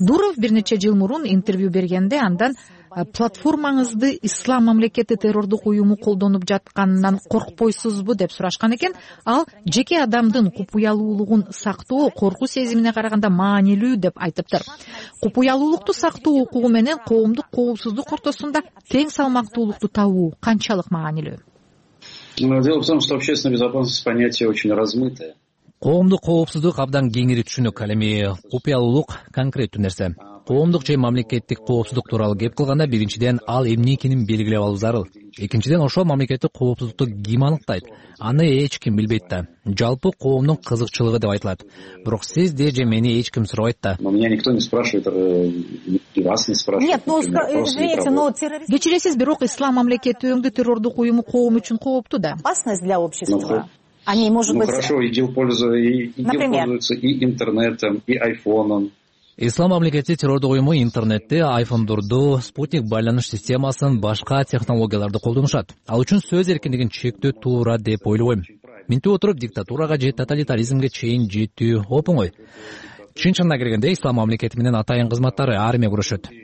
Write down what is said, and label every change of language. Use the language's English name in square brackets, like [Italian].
[Kyrgyz] Дуров бир нече жыл мурун интервью бергенде андан платформаңызды ислам мамлекети террордук уюму колдонуп жатканынан коркпойсузбу деп сурашкан экен. Ал жеке адамдын купуялуулугун сактоо коркуу сезимине караганда маанилүү деп айтыптыр. Купуялуулукту сактоо укугу менен коомдук коопсуздук ортосунда тең салмактуулукту табуу канчалык маанилүү? [Russian] Дело в том, что общественная безопасность понятие очень размытое. [Kyrgyz] Коомдук коопсуздук абдан кеңири түшүнүк, ал эми купуялуулук конкреттүү нерсе. Коомдук же мамлекеттик коопсуздук тууралуу кеп кылганда, биринчиден ал эмне экенин белгилеп алуу зарыл. Экинчиден ошол мамлекеттик коопсуздукту ким аныктайт? Аны эч ким билбейт да. Жалпы коомдун кызыкчылыгы деп айтылат. Бирок сиз де же мени эч ким сурабайт да. [Russian] Но меня никто не спрашивает, и вас не спрашивают. Нет, извините, но террорист. [Kyrgyz] Кечиресиз, бирок ислам мамлекети өңдө террордук уюму коом үчүн кооптуу да. [Russian] Опасность для общества. Они, может ну быть... хорошо, ИГИЛ пользуется и интернетом, и айфоном. [Kyrgyz] Ислам мамлекети террордук уюму интернетти, айфондорду, спутник байланыш системасын, башка технологияларды колдонушат. Ал үчүн сөз эркиндигин чектөө туура деп ойлобойм. Минтип отуруп диктатурага же тоталитаризмге чейин жетүү опоңой. Чын чынына келгенде ислам мамлекети менен атайын кызматтары армия курушат.